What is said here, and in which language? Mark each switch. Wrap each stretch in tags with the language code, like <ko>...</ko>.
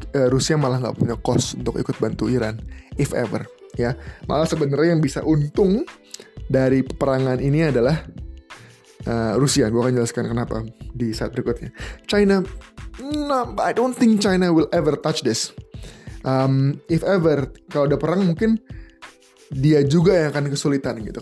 <id>Rusia malah enggak punya kos untuk ikut bantu Iran,</id> <en>if ever.</en> <id>Ya, malah sebenarnya yang bisa untung dari peperangan ini adalah Rusia. Gua akan jelaskan kenapa di saat berikutnya.</id> <en>China, no, I don't think China will ever touch this. If ever,</en> <id>kalau ada perang mungkin dia juga yang akan kesulitan gitu.</id>